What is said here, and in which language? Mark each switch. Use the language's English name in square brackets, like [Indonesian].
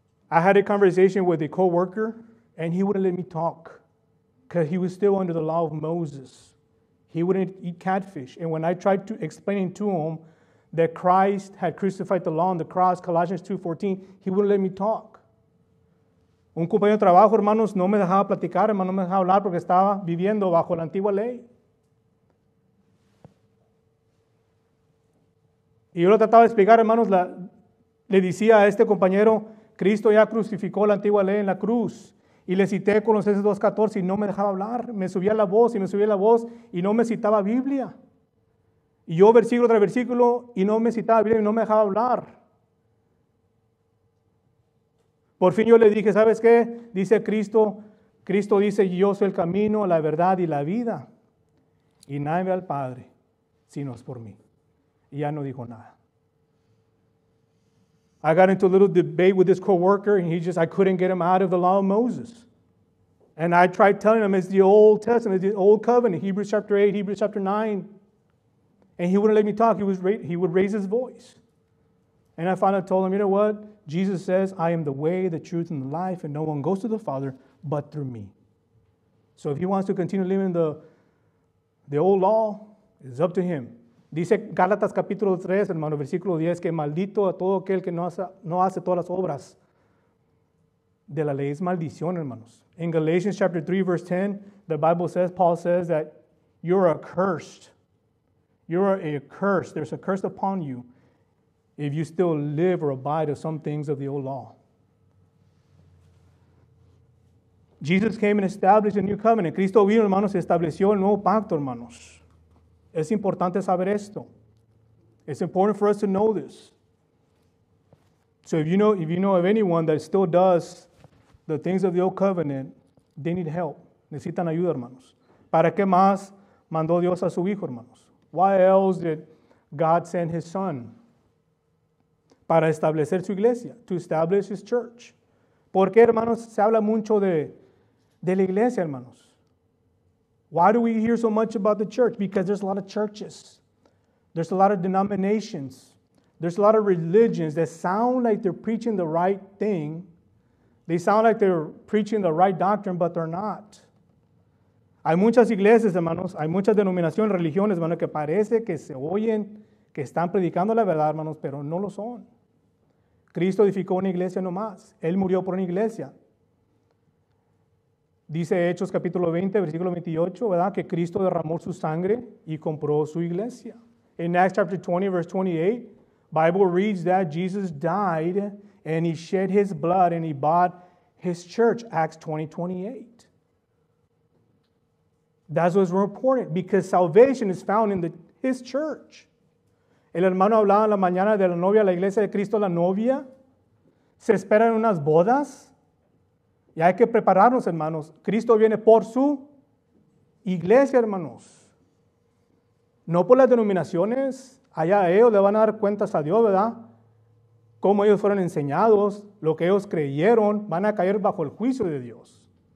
[English] I had a conversation with a co-worker, and he wouldn't let me talk because he was still under the law of Moses. He wouldn't eat catfish. And when I tried to explain to him that Christ had crucified the law on the cross, Colossians 2:14, he wouldn't let me talk. [Spanish] Un compañero de trabajo, hermanos, no me dejaba platicar, hermanos, no me dejaba hablar porque estaba viviendo bajo la antigua ley. Y yo lo trataba de explicar, hermanos, le decía a este compañero, Cristo ya crucificó la antigua ley en la cruz. Y le cité Colosenses 2:14 y no me dejaba hablar. Me subía la voz y me subía la voz y no me citaba Biblia. Y yo versículo tras versículo y no me citaba Biblia y no me dejaba hablar. Por fin yo le dije, ¿sabes qué? Dice Cristo, Cristo dice, yo soy el camino, la verdad y la vida. Y nadie ve al Padre, sino es por mí. Y ya no dijo nada. [English] I got into a little debate with this coworker, and I couldn't get him out of the law of Moses. And I tried telling him, it's the Old Testament, it's the Old Covenant, Hebrews chapter 8, Hebrews chapter 9. And he wouldn't let me talk. He would raise his voice. And I finally told him, you know what? Jesus says, I am the way, the truth, and the life, and no one goes to the Father but through me. So if he wants to continue living the old law, it's up to him. [Spanish] Dice Gálatas capítulo 3, hermano, versículo 10, que maldito a todo aquel que no hace todas las obras de la ley. Es maldición, hermanos. [English] In Galatians chapter 3, verse 10, the Bible says, Paul says that you're accursed. You're accursed. There's a curse upon you if you still live or abide of some things of the old law. Jesus came and established a new covenant. [Spanish] Cristo vino, hermanos, y estableció el nuevo pacto, hermanos. Es importante saber esto. [English] It's important for us to know this. So if you know of anyone that still does the things of the old covenant, they need help. [Spanish] Necesitan ayuda, hermanos. ¿Para qué más mandó Dios a su hijo, hermanos? [English] Why else did God send his son? [Spanish] para establecer su iglesia, [English] to establish his church. [Spanish] ¿Por qué, hermanos, se habla mucho de la iglesia, hermanos? [English] Why do we hear so much about the church? Because there's a lot of churches. There's a lot of denominations. There's a lot of religions that sound like they're preaching the right thing. They sound like they're preaching the right doctrine, but they're not. [Spanish] Hay muchas iglesias, hermanos. Hay muchas denominaciones, religiones, hermanos, que parece que se oyen, que están predicando la verdad, hermanos, pero no lo son. Cristo edificó una iglesia nomás. Él murió por una iglesia. Dice Hechos capítulo 20, versículo 28, ¿verdad? Que Cristo derramó su sangre y compró su iglesia. [English] In Acts chapter 20, verse 28, Bible reads that Jesus died and he shed his blood and he bought his church. Acts 20, 28. That's what's important because salvation is found in his church. [Spanish] El hermano hablaba en la mañana de la novia, la iglesia de Cristo, la novia. Se esperan unas bodas. Y hay que prepararnos, hermanos. Cristo viene por su iglesia, hermanos. No por las denominaciones. Allá ellos le van a dar cuentas a Dios, ¿verdad? Cómo ellos fueron enseñados, lo que ellos creyeron, van a caer bajo el juicio de Dios.